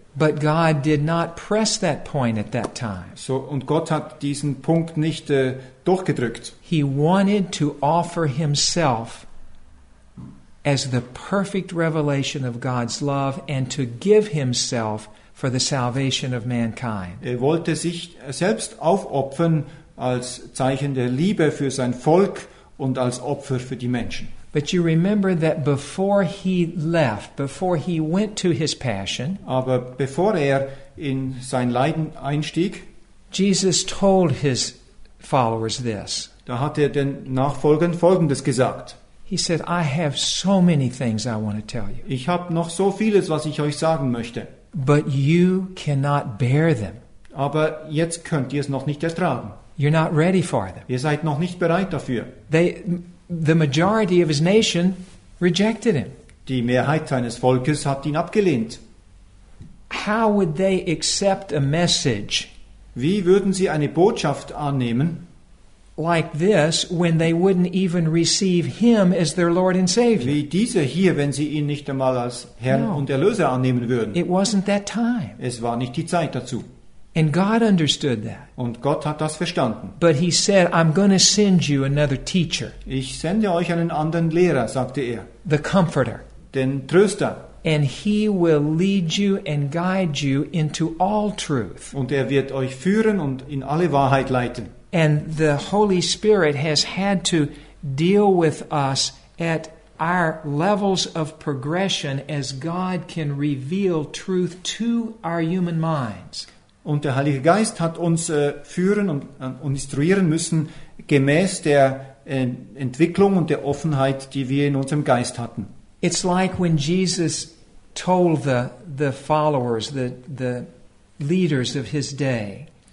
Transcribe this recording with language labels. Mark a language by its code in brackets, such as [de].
[en] But God did not press that point at that time. [de] So, und Gott hat diesen Punkt nicht durchgedrückt. [en] He wanted to offer himself as the perfect revelation of God's love and to give himself for the salvation of mankind. [de] Er wollte sich selbst aufopfern, als Zeichen der Liebe für sein Volk und als Opfer für die Menschen. [en] But you remember that before he left, before he went to his passion, [de] aber bevor er in sein Leiden einstieg, [en] Jesus told his followers this. [de] Da hat er den Nachfolgern Folgendes gesagt. [en] He said, I have so many things I want to tell you. [de] Ich habe noch so vieles, was ich euch sagen möchte. [en] But you cannot bear them. [de] Aber jetzt könnt ihr es noch nicht ertragen. [en] You're not ready for them. [de] Ihr seid noch nicht bereit dafür. [en] The majority of his nation rejected him. [de] Die Mehrheit seines Volkes hat ihn abgelehnt. [en] How would they accept a message? [de] Wie würden sie eine Botschaft annehmen? [en] Like this, when they wouldn't even receive him as their Lord and Savior. [de] Wie diese hier, wenn sie ihn nicht einmal als Herrn und Erlöser annehmen würden. [en] It wasn't that time. [de] Es war nicht die Zeit dazu. [en] And God understood that. [de] Und Gott hat das verstanden. [en] But he said, I'm going to send you another teacher. [de] Ich sende euch einen anderen Lehrer, sagte er. [en] The Comforter. [de] Den Tröster. [en] And he will lead you and guide you into all truth. [de] Und wird euch führen und in alle Wahrheit leiten. [en] And the Holy Spirit has had to deal with us at our levels of progression as God can reveal truth to our human minds. [de] Und der Heilige Geist hat uns führen und instruieren müssen gemäß der Entwicklung und der Offenheit, die wir in unserem Geist hatten. [en] It's like when Jesus told the followers, the leaders of his day.